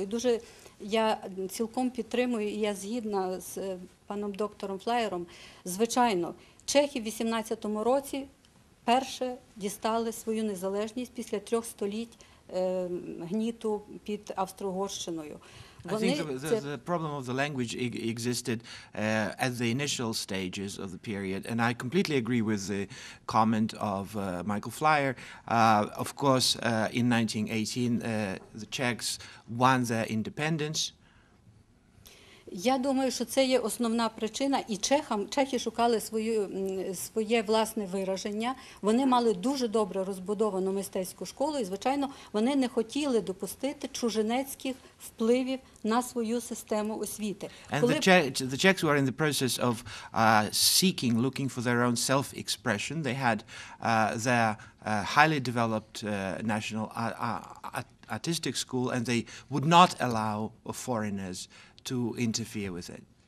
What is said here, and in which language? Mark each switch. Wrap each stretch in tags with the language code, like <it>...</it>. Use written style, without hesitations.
<uk>І дуже я цілком підтримую, і я згідна з паном доктором Флаєром. Звичайно, чехи в 18-му році перше дістали свою незалежність після трьох століть гніту під Австро-Угорщиною.</uk> <en>I think the problem of the language existed at the initial stages of the period, and I completely agree with the comment of Michael Flyer. Of course, in 1918, the Czechs won their independence.</en> <uk>Я думаю, що це є основна причина, і чехи шукали своє власне вираження. Вони мали дуже добре розбудовану мистецьку школу, і, звичайно, вони не хотіли допустити чужинецьких впливів на свою систему освіти.</uk> <en>And the Czechs were in the process of looking for their own self-expression. They had their highly developed national artistic school, and they would not allow foreigners to interfere with it.</en>